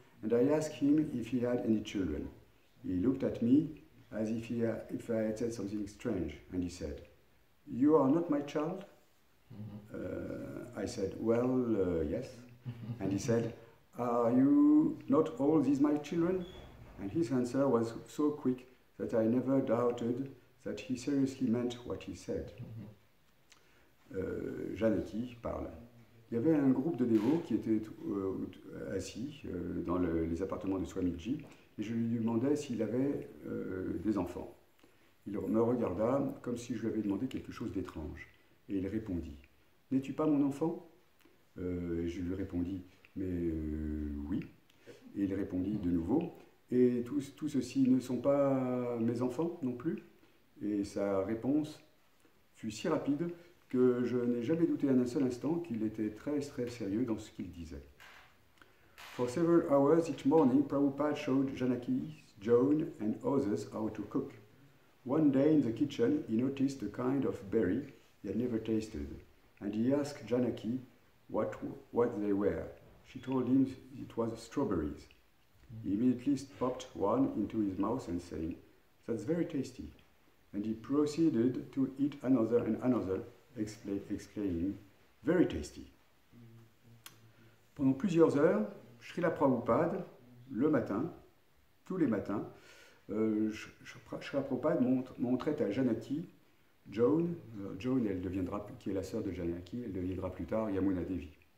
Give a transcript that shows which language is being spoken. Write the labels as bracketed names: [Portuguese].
[English] And I asked him if he had any children. He looked at me as if I had said something strange, and he said, "You are not my child?" Mm-hmm. I said, "Well, yes." And he said, "Are you not all these my children?" And his answer was so quick that I never doubted that he seriously meant what he said. [French] Janaki parle. Il y avait un groupe de dévots qui était assis dans les appartements de Swamiji et je lui demandais s'il avait des enfants. Il me regarda comme si je lui avais demandé quelque chose d'étrange et il répondit « N'es-tu pas mon enfant ?» Et je lui répondis « Mais oui. » Et il répondit de nouveau « Et tous ceux-ci ne sont pas mes enfants non plus ?» Et sa réponse fut si rapide que je n'ai jamais douté un seul instant qu'il était très, très sérieux dans ce qu'il disait. [English] For several hours each morning, Prabhupada showed Janaki, Joan and others how to cook. One day in the kitchen, he noticed a kind of berry he had never tasted, and he asked Janaki what they were. She told him it was strawberries. He immediately popped one into his mouth and said, "That's very tasty." And he proceeded to eat another and another, explaining, "Very tasty, [French] pendant plusieurs heures, Srila Prabhupada, le matin, tous les matins, Srila Prabhupada montrait à Janaki, Joan, Joan, elle deviendra, qui est la sœur de Janaki, elle deviendra plus tard Yamuna Devi.